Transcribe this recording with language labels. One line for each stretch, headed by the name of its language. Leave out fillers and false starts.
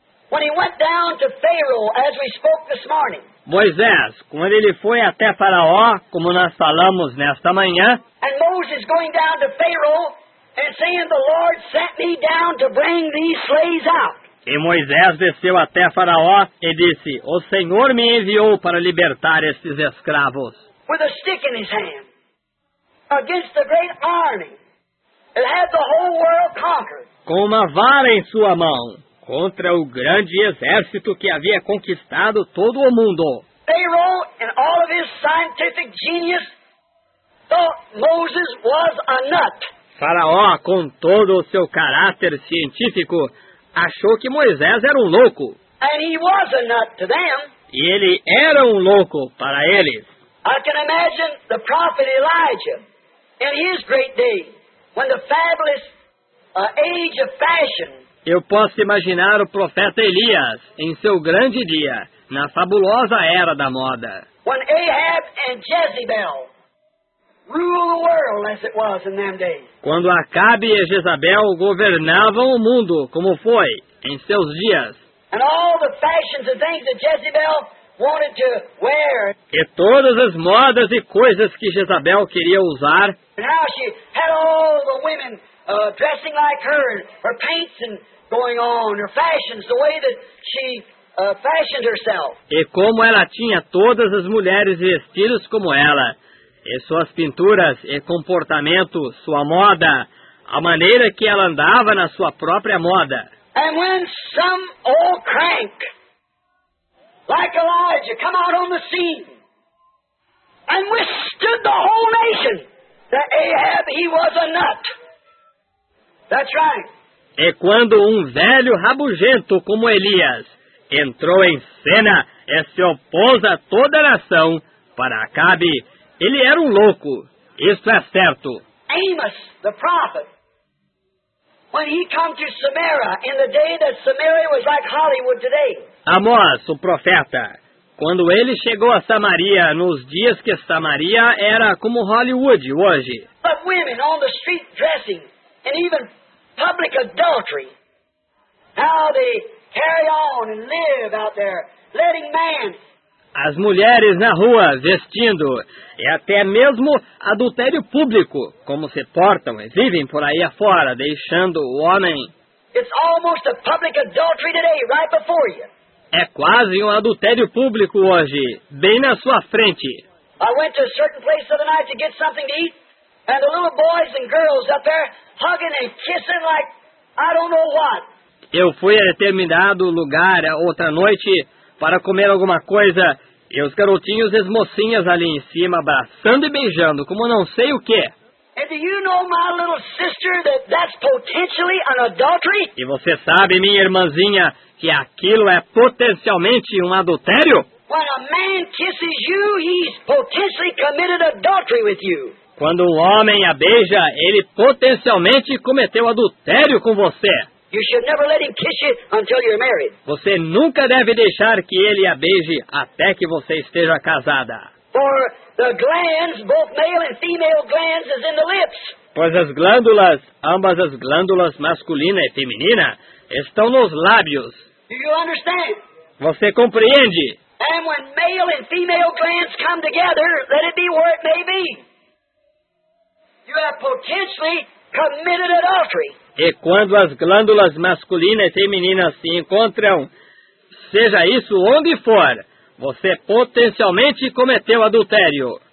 English: When he went down to Pharaoh, as we spoke this morning.
Portuguese: Moisés, quando ele foi até Faraó, como nós falamos nesta manhã.
English: And Moses going down to Pharaoh and saying, the Lord sent me down to bring these slaves out.
Portuguese: E Moisés desceu até Faraó e disse, o Senhor me enviou para libertar estes escravos.
English: With a stick in his hand, against the great army, and had the whole world conquered.
Portuguese: Com uma vara em sua mão. Contra o grande exército que havia conquistado todo o mundo.
English: Pharaoh and all of his scientific genius thought Moses was a nut.
Portuguese: Faraó, com todo o seu caráter científico, achou que Moisés era um louco.
English: And he was a nut to them.
Portuguese: E ele era um louco para eles.
English: I can imagine the prophet Elijah in his great day when the fabulous age of fashion.
Portuguese: Eu posso imaginar o profeta Elias em seu grande dia, na fabulosa era da moda.
English: When Ahab and Jezebel ruled the world as it was in them days.
Portuguese: Quando Acabe e Jezabel governavam o mundo, como foi em seus dias.
English: And all the fashions and things that Jezebel wanted to wear.
Portuguese: E todas as modas e coisas que Jezabel queria usar.
English: And how she had all the women dressing like her, her paints and going on, her fashions, the way that she fashioned herself.
Portuguese: E como ela tinha todas as mulheres vestidas como ela, e suas pinturas e comportamento, sua moda, a maneira que ela andava na sua própria moda.
English: And when some old crank, like Elijah, come out on the scene and withstood the whole nation, that Ahab, he was a nut. That's right.
Portuguese: E quando um velho rabugento como Elias entrou em cena e se opôs a toda a nação para Acabe, ele era um louco. Isso é certo.
English: Amos, the prophet, when he came to Samaria in the day that Samaria was like Hollywood today.
Portuguese: Amós, o profeta, quando ele chegou a Samaria nos dias que Samaria era como Hollywood hoje.
English: But women on the street dressing. And even public adultery, how they carry on and live out there, letting man.
Portuguese: As mulheres na rua vestindo, e até mesmo adultério público, como se portam e vivem por aí afora, deixando o homem.
English: It's almost a public adultery today, right before you.
Portuguese: é quase um adultério público hoje, bem na sua frente.
English: I went to a certain place the other night to get something to eat, and the little boys and girls up there hugging and kissing like I don't know what.
Portuguese: Eu fui a determinado lugar outra noite para comer alguma coisa, e os garotinhos e as mocinhas ali em cima abraçando e beijando como não sei o quê.
English: And do you know, my little sister, that that's potentially an adultery?
Portuguese: E você sabe, minha irmãzinha, que aquilo é potencialmente um adultério?
English: When a man kisses you, he's potentially committed adultery with you.
Portuguese: Quando um homem a beija, ele potencialmente cometeu adultério com você.
English: You should never let him kiss you until you're married.
Portuguese: Você nunca deve deixar que ele a beije até que você esteja casada.
English: For the glands, both male and female glands, is in the lips.
Portuguese: Pois as glândulas, ambas as glândulas masculina e feminina, estão nos lábios.
English: Do you understand?
Portuguese: Você compreende?
English: And when male and female glands come together, let it be where it may be, you have potentially committed adultery.
Portuguese: E quando as glândulas masculina e feminina se encontram, seja isso onde for, você potencialmente cometeu adultério.